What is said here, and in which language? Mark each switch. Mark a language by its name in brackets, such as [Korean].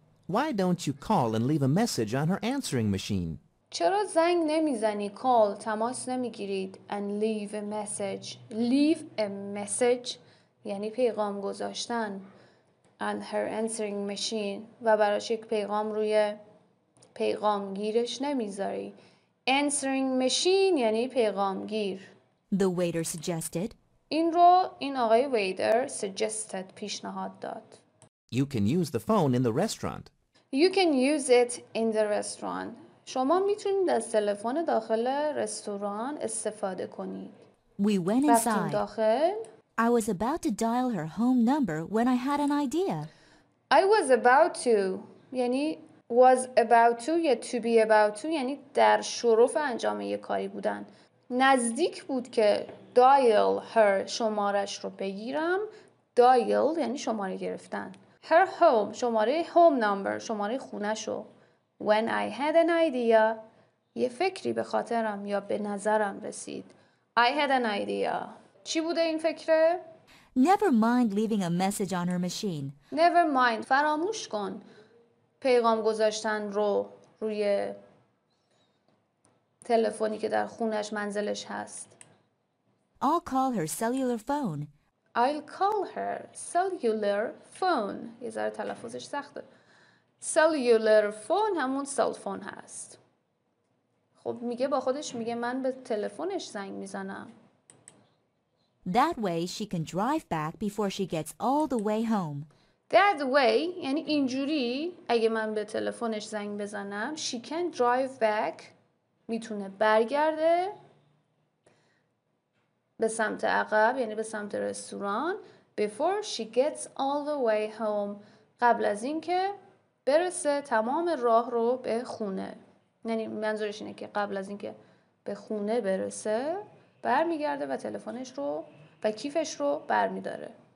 [English] Why don't you call and leave a message on her answering machine? [Persian] چرا زنگ نمیزنی, call, تماس نمیگیرید, [English] and leave a message. [Persian] Leave a message, یعنی پیغام گذاشتن. [English] on her answering machine [Persian] و براش یک پیغام روی پیغامگیرش نمیذاری. [English] Answering machine [Persian] یعنی پیغامگیر. [English] The waiter suggested. [Persian] این رو این آقای [English] waiter suggested [Persian] پیشنهاد داد. [English] You can use the phone in the restaurant. You can use it in the restaurant. [Persian] شما میتونید از تلفن داخل رستوران استفاده کنید. [English] We went inside. [Persian] داخل. [English] I was about to dial her home number when I had an idea. I was about to. یعنی was about to یا to be about to [Persian] یعنی در شرف انجام یک کاری بودن. نزدیک بود که [English] dial her [Persian] شمارش رو بگیرم. Dial یعنی شماره گرفتن. [English] Her home [Persian] شماره [English] home number [Persian] شماره خونه شو. [English] When I had an idea [Persian] یه فکری به خاطرم یا به نظرم رسید. [English] I had an idea. [Persian] چی بوده این فکره؟ [English] Never mind leaving a message on her machine. Never mind. [Persian] فراموش کن پیغام گذاشتن رو روی تلفنی که در خونش منزلش هست. [English] I'll call her cellular phone. I'll call her cellular phone. [Persian] یه ذره تلفظش سخته. Cellular phone همون سلفون هست. خب میگه با خودش میگه من به تلفنش زنگ میزنم. [English] That way she can drive back before she gets all the way home. That way [Persian] یعنی اینجوری اگه من به تلفنش زنگ بزنم [English] she can drive back [Persian] میتونه برگرده به سمت عقب یعنی به سمت رستوران [English] before she gets all the way home [Persian] قبل از این که برسه تمام راه رو به خونه یعنی منظورش اینه که قبل از این که به خونه برسه برمیگرده و تلفنش رو و کیفش رو برمیداره.